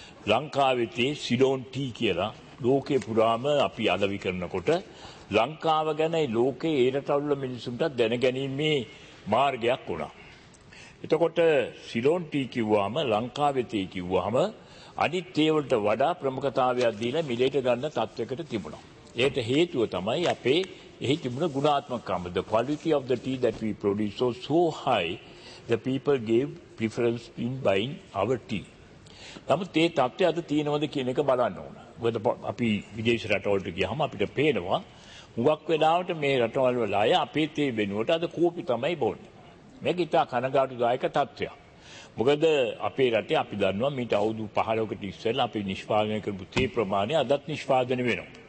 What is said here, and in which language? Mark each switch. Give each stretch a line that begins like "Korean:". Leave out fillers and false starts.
Sinhala: ලංකාවේ තේ Ceylon T කියලා ලෝකේ පුරාම අපි අලවි කරනකොට ලංකාව ගැන ලෝකේ ඒරටවල මිනිසුන්ට දැනගැනීමේ මාර්ගයක් වුණා. එතකොට සිලෝන් ටී කිව්වාම ලංකාවේ තේ කිව්වාම අනිත් තේ වලට වඩා ප්‍රමුඛතාවයක් දීලා මිලේට ගන්න තත්වයකට තිබුණා. ඒකට හේතුව තමයි අපේ එහි තිබුණ ගුණාත්මකකම.
English: The quality of the tea that we produce was so high the people gave preference in buying our tea.
Sinhala: නමුත් ඒ තත්ත්වය අද තියෙනවද කියන එක බලන්න ඕන. මොකද අපි විදේශ රටවලට ගියහම අපිට පේනවා හුඟක් වෙලාවට මේ රටවල් වල අය අපේ තේ වෙනුවට අද කෝපි තමයි බොන්නේ. මේක ඉතා කනගාටුදායක තත්ත්වයක්. මොකද අපේ රටේ අපි දන්නවා මීට අවුරුදු 15කට ඉස්සෙල්ලා අපි නිෂ්පාදනය කරපු තේ ප්‍රමාණය අදත් නිෂ්පාදනය වෙනවා.